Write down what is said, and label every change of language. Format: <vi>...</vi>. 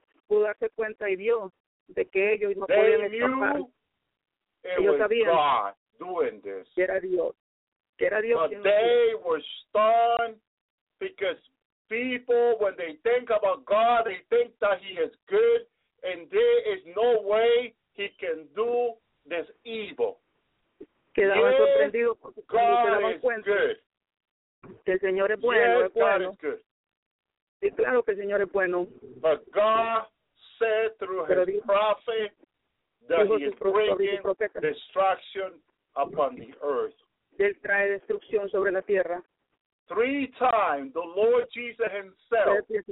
<es>Pudo darse cuenta y vio de que ellos no podían escapar. Ellos sabían que era Dios.</es> <en>But they were stunned because people, when they think about God, they think that he is good and there is no way he can do this evil.</en> <es>Quedaban sorprendidos porque se daban cuenta que el Señor es bueno.</es> <en>Yes, God is good.</en> <es>Sí, claro que el Señor es bueno.</es> <en>But God said through his prophet that he is bringing destruction upon the earth.</en> <es>Él trae destrucción sobre la tierra.</es> <en>Three times the Lord Jesus himself,</en>